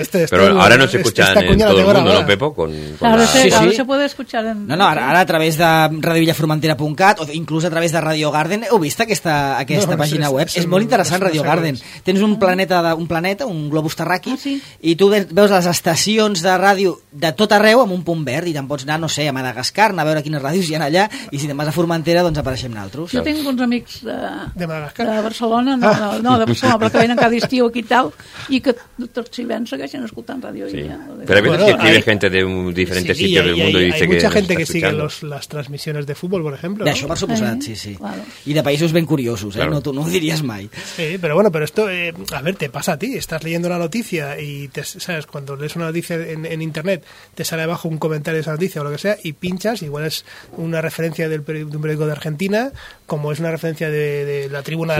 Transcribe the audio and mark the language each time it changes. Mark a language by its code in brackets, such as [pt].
[es] Pero ahora no se escucha en todo el mundo, ¿no, Pepo? Ahora se puede escuchar en... [ca] No, ara a través de radioillaformentera.cat o inclús a través de Radio Garden. Heu vist aquesta pàgina web? És molt interessant, Radio Garden. Tens un planeta, un globus terràqui, i tu veus les estacions de ràdio de tot arreu amb un punt verd i te'n pots anar, no sé, a Madagascar, anar a veure quines ràdios hi ha allà, i si te'n vas a Formentera, doncs apareixem naltros. Jo tinc uns amics de Madagascar. De Barcelona, però que venen cada estiu aquí i tal, i que tots hi ven, segueixen escoltant ràdio. Sí. Però a vegades [es] escribe gente de diferentes sitios del mundo y dice que... Hay mucha gente que sigue las transmissions de futbol, por ejemplo. [ca] D'això, per suposat, sí. I de països ben curiosos, claro. No, tu no ho diries mai. Sí, però [es] bueno, pero esto, a ver, te pasa a ti, estás leyendo una noticia y, sabes, cuando lees una noticia en internet, te sale abajo un comentario de esa noticia o lo que sea, y pinchas, igual es una referencia de un periódico de Argentina, como es una referencia de la tribuna.